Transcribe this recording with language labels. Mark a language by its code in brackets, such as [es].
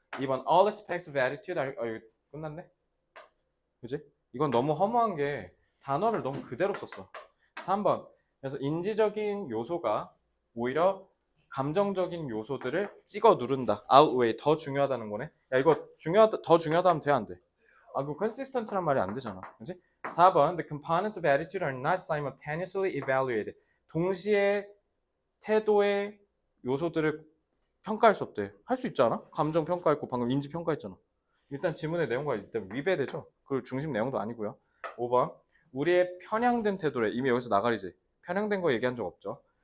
[en] 2번. All aspects of attitude are... [ko] 이거 끝났네? 그지? 이건 너무 허무한 게 단어를 너무 그대로 썼어. 3번. 그래서 인지적인 요소가 오히려 감정적인 요소들을 찍어 누른다. Outweigh. 더 중요하다는 거네. 야, 이거 중요하다, 더 중요하다 하면 돼, 안 돼? 아, 그 consistent란 말이 안 되잖아. 그지? 4번. [en] The components of attitude are not simultaneously evaluated. [ko] 동시에 태도의 요소들을 평가할 수 없대. 할 수 있잖아. 감정 평가했고 방금 인지 평가했잖아. 일단 지문의 내용과 일단 위배되죠. 그 중심 내용도 아니고요. 5번. 우리의 편향된 태도래. 이미 여기서 나가리지. 편향된 거 얘기한 적 없죠.